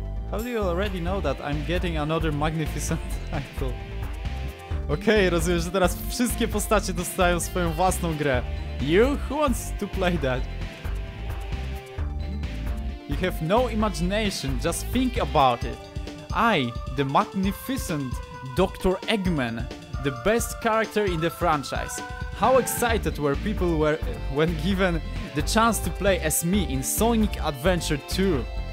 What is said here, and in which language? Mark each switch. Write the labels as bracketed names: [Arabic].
[English] How do you already know that I'm getting another magnificent title? [Polish] Okej, rozumiem, że teraz wszystkie postacie dostają swoją własną grę. [English] You? Who wants to play that? You have no imagination, just think about it. I, the magnificent Dr. Eggman, the best character in the franchise. How excited were people when given the chance to play as me in Sonic Adventure 2?